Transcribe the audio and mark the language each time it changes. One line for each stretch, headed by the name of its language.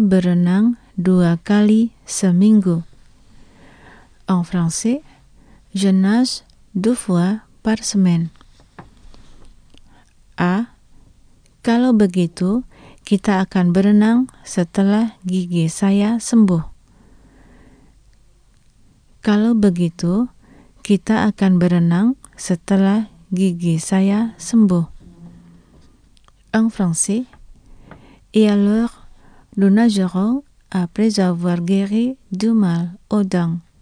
Indonesian: Saya berenang dua kali seminggu.
French: En français, je nage deux fois par semaine.
Indonesian: A. Kalau begitu, kita akan berenang setelah gigi saya sembuh. Kalau begitu, kita akan berenang setelah gigi saya sembuh.
French: En français, et alors, nous nagerons après avoir guéri du mal aux dents.